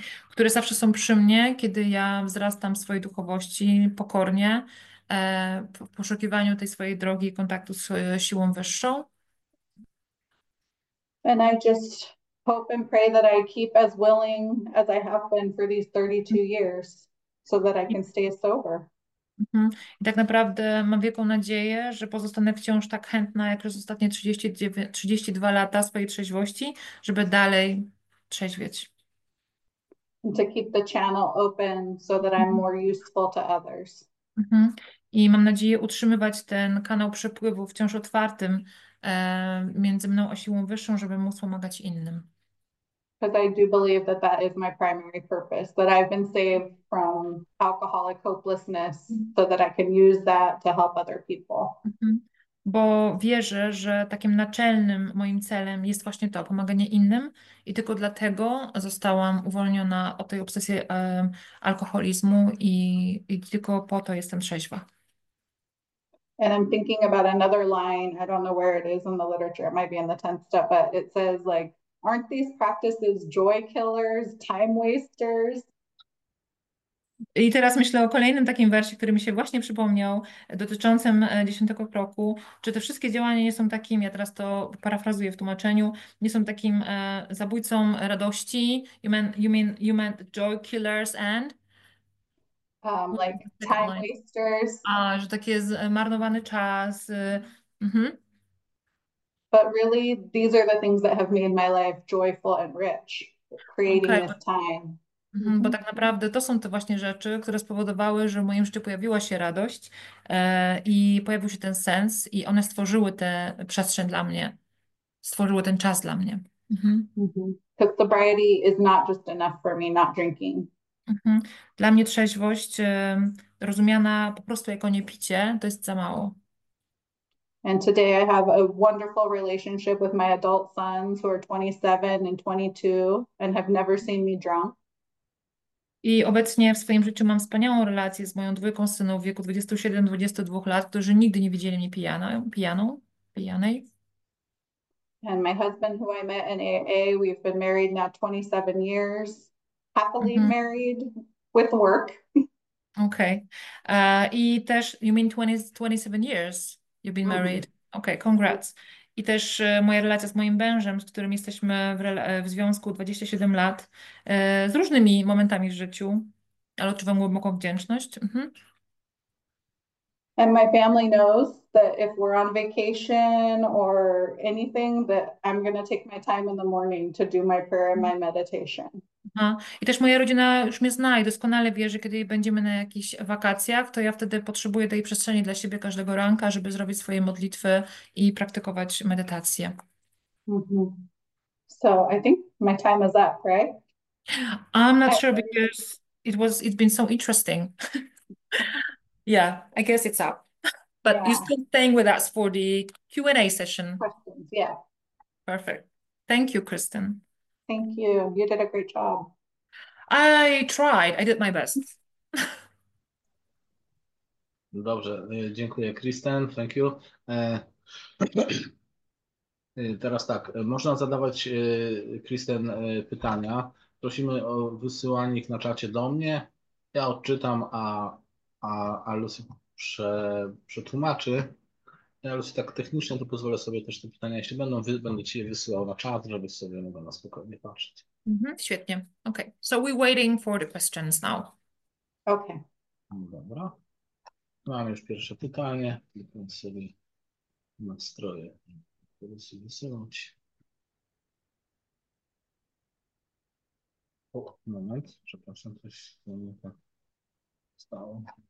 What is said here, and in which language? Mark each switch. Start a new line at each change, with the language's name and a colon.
Polish: Które zawsze są przy mnie, kiedy ja wzrastam w swojej duchowości pokornie, w poszukiwaniu tej swojej drogi i kontaktu z siłą wyższą.
English: And I just hope and pray that I keep as willing as I have been for these 32 years so that I can stay sober.
Polish: I tak naprawdę mam wielką nadzieję, że pozostanę wciąż tak chętna jak przez ostatnie 39, 32 lata swojej trzeźwości, żeby dalej trzeźwieć.
English: And to keep the channel open so that I'm more useful to others.
Polish: I mam nadzieję utrzymywać ten kanał przepływu wciąż otwartym między mną a siłą wyższą, żeby móc pomagać innym.
English: Because I do believe that that is my primary purpose, that I've been saved from alcoholic hopelessness so that I can use that to help other people.
Polish: Bo wierzę, że takim naczelnym moim celem jest właśnie to, pomaganie innym, i tylko dlatego zostałam uwolniona od tej obsesji alkoholizmu, i tylko po to jestem trzeźwa.
English: And I'm thinking about another line. I don't know where it is in the literature. It might be in the 10th step, but it says like, aren't these practices joy killers, time wasters?
Polish: I teraz myślę o kolejnym takim wersie, który mi się właśnie przypomniał, dotyczącym 10. kroku. Czy te wszystkie działania nie są takim, ja teraz to parafrazuję w tłumaczeniu, nie są takim zabójcą radości?
English: You mean joy killers and? Like Second time line. wasters.
Polish: A, że taki jest marnowany czas.
English: But really, these are the things that have made my life joyful and rich, creating this time.
Polish: Bo tak naprawdę to są te właśnie rzeczy, które spowodowały, że w moim życiu pojawiła się radość i pojawił się ten sens, i one stworzyły tę przestrzeń dla mnie, stworzyły ten czas dla mnie.
English: Because sobriety is not just enough for me, not drinking.
Polish: Dla mnie trzeźwość, rozumiana po prostu jako niepicie, to jest za mało.
English: And today I have a wonderful relationship with my adult sons who are 27 and 22 and have never seen me drunk.
Polish: I obecnie w swoim życiu mam wspaniałą relację z moją dwójką synów w wieku 27-22 lat, którzy nigdy nie widzieli mnie pijanej.
English: And my husband, who I met in AA, we've been married now 27 years, happily married with work.
Polish: I też,
English: you mean 27 years you've been married. Okay, congrats.
Polish: I też moja relacja z moim mężem, z którym jesteśmy w związku 27 lat, z różnymi momentami w życiu, ale odczuwam głęboką wdzięczność.
English: And my family knows that if we're on vacation or anything, that I'm going to take my time in the morning to do my prayer and my meditation.
Polish: I też moja rodzina już mnie zna i doskonale wie, że kiedy będziemy na jakichś wakacjach, to ja wtedy potrzebuję tej przestrzeni dla siebie każdego ranka, żeby zrobić swoje modlitwy i praktykować medytację.
English: So I think my time is up, right? I'm not sure because it's been so interesting. Yeah, I guess it's up. But you're Yeah. still staying with us for the Q&A session. Questions, yeah. Perfect. Thank you, Kristen. Thank you. You did a great job. I tried. I did my best.
Polish: Dobrze, dziękuję, Kristen.
English: Thank you.
Polish: Teraz tak, można zadawać Kristen pytania. Prosimy o wysyłanie ich na czacie do mnie. Ja odczytam, a Lucy przetłumaczy. Ja Lucy tak technicznie to pozwolę sobie też te pytania, jeśli będą, będę ci je wysyłał na czat, żeby sobie mogła na spokojnie patrzeć. Świetnie. Okay.
English: So we're waiting for the questions now. Okay.
Polish: Dobra. Mam już pierwsze pytanie. Kliknę sobie nastroje, żeby sobie wysunąć. O, moment. Przepraszam, coś się nie tak stało.